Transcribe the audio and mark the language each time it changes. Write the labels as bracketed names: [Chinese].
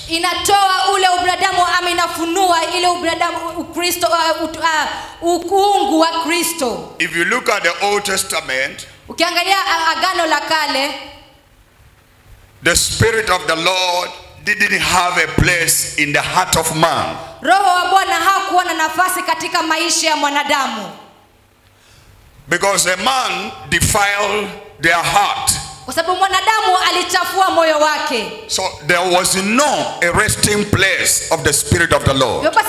[Swahili] Inatoa ule ubradamu ama inafunua ile ubradamu Kristo ukuungu wa Kristo. [English] If you look at the Old Testament, [Swahili] ukiangalia agano la kale, [English] the spirit of the Lord didn't have a place in the heart of man. [Swahili] Roho wa Bwana hakuwa na nafasi katika maisha ya mwanadamu. [English] Because a man defiled their heart So there was no a resting place of the Spirit of the Lord.